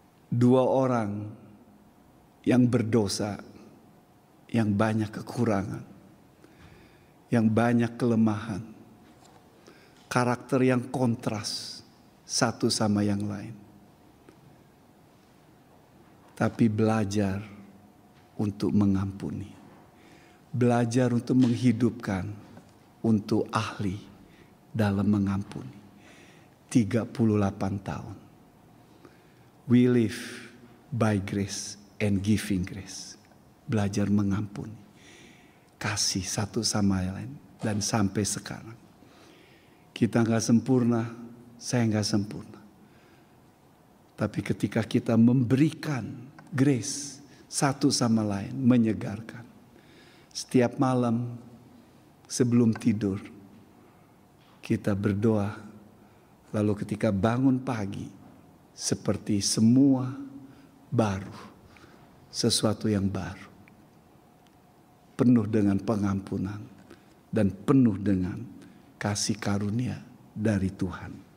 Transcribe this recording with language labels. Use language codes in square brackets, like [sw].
[id] Dua orang yang berdosa, yang banyak kekurangan, yang banyak kelemahan, karakter yang kontras satu sama yang lain. Tapi belajar untuk mengampuni, belajar untuk menghidupkan, untuk ahli dalam mengampuni. 38 tahun. [en] We live by grace and giving grace. [id] Belajar mengampuni, kasih satu sama lain, dan sampai sekarang kita gak sempurna, saya gak sempurna, tapi ketika kita memberikan grace satu sama lain, menyegarkan setiap malam sebelum tidur kita berdoa, lalu ketika bangun pagi seperti semua baru, sesuatu yang baru, penuh dengan pengampunan dan penuh dengan kasih karunia dari Tuhan.